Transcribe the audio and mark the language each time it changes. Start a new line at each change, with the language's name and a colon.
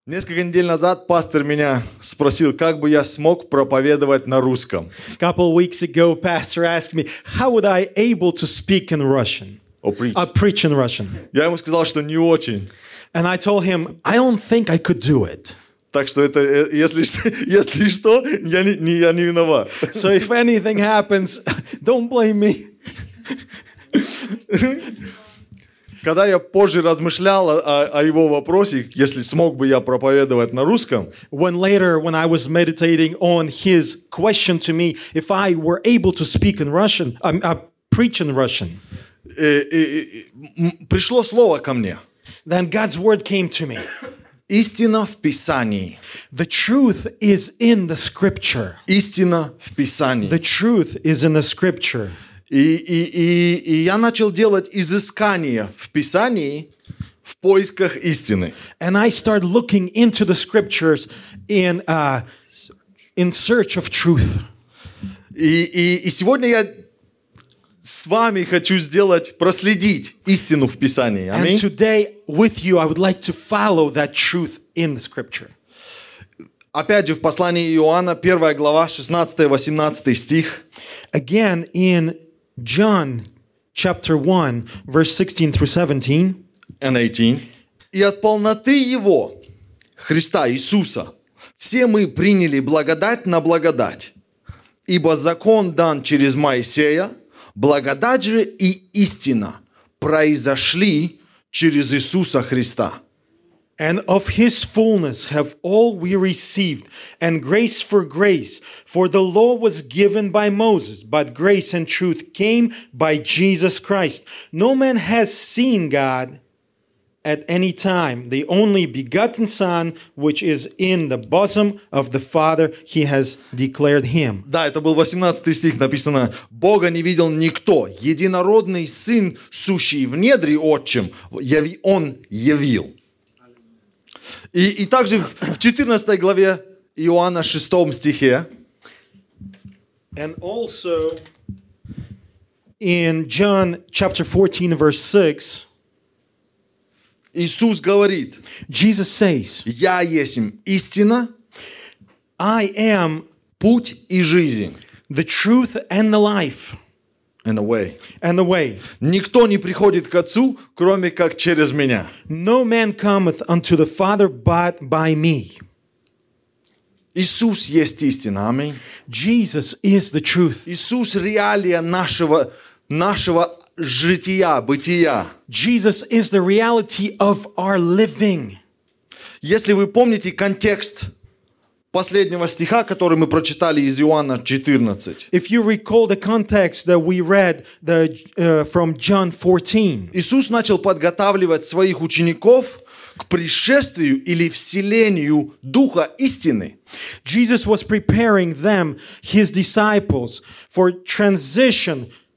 Russian: Несколько недель назад пастор меня спросил, как бы я смог проповедовать на русском.
English: Couple weeks ago, pastor asked me, how would I able to speak in Russian? Preach in Russian.
Russian: Я ему сказал, что не очень.
English: And I told him, I don't think I could do it.
Russian: Так что это, если что, я не виноват.
English: So if anything happens, don't blame me.
Russian: Когда я позже размышлял о его вопросе, если смог бы я проповедовать на русском,
English: when I was meditating on his question to me, if I were able to speak in Russian, preach in Russian,
Russian: пришло слово ко мне.
English: Then God's word came to me.
Russian: Истина в Писании.
English: The truth is in the scripture.
Russian: Истина в Писании.
English: The truth is in the scripture.
Russian: И я начал делать изыскания в Писании в поисках истины.
English: And I started looking into the scriptures in search of truth.
Russian: И сегодня я с вами хочу сделать, проследить истину в Писании. Аминь.
English: And today with you I would like to follow that truth in the scripture.
Russian: Опять же, в послании Иоанна, 1 глава, 16-18 стих.
English: Again, in John chapter 1, verse 16 through 17. And 18.
Russian: И от полноты Его, Христа Иисуса, все мы приняли благодать на благодать. Ибо закон дан через Моисея, благодать же и истина произошли через Иисуса Христа.
English: And of his fullness have all we received, and grace for grace. For the law was given by Moses, but grace and truth came by Jesus Christ. No man has seen God at any time. The only begotten Son, which is in the bosom of the Father, he has declared him.
Russian: Да, это был 18 стих, написано, Бога не видел никто, единородный Сын, сущий в недре Отчим, Он явил. И также в 14 главе Иоанна 6 стихе.
English: And also in John chapter 14 verse 6.
Russian: Иисус говорит.
English: Jesus says.
Russian: Я есмь истина.
English: I am
Russian: путь и жизнь.
English: The truth and the life. And the way. And the way.
Russian: Никто не приходит к Отцу, кроме как через меня.
English: No man cometh unto the Father but by me.
Russian: Иисус есть истина, аминь.
English: Jesus is the truth.
Russian: Иисус реалия нашего жития, бытия.
English: Jesus is the reality of our living.
Russian: Если вы помните контекст последнего стиха, который мы прочитали из Иоанна 14.
English: If you recall the context that we read from John 14.
Russian: Иисус начал подготавливать своих учеников к пришествию или вселению Духа истины.
English: Jesus was preparing them, his disciples, for transition,